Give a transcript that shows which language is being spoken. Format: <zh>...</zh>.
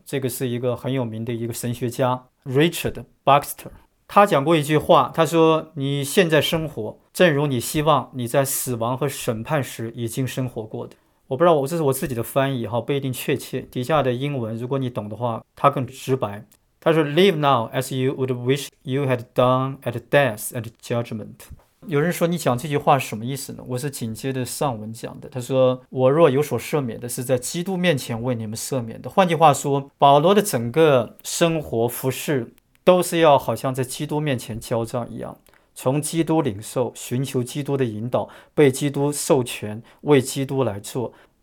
<zh>这个是一个很有名的一个神学家 Richard Baxter。他讲过一句话，他说，你现在生活正如你希望你在死亡和审判时已经生活过的。我不知道，这是我自己的翻译，不一定确切，底下的英文如果你懂的话它更直白。他说</zh> <en>Live now as you would wish you had done at death and judgment。</en> <zh>有人说你讲这句话是什么意思呢？我是紧接着上文讲的，他说，我若有所赦免的，是在基督面前为你们赦免的。换句话说，保罗的整个生活服侍都是要好像在基督面前交账一样，从基督领受，寻求基督的引导，被基督授权，为基督来做。</zh>